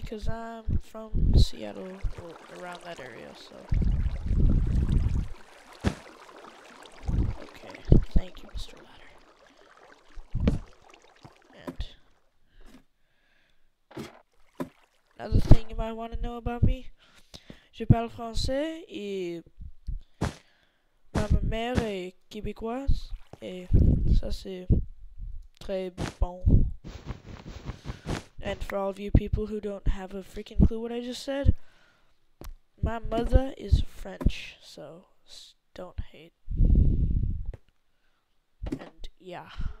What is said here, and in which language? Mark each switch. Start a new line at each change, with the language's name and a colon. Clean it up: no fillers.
English: Because I'm from Seattle, well, around that area, so. Okay, thank you, Mr. Ladder. And. Another thing you might want to know about me.
French: Je parle français et ma mère est québécoise et ça c'est très bon.
English: And for all of you people who don't have a freaking clue what I just said, my mother is French, so don't hate. And yeah.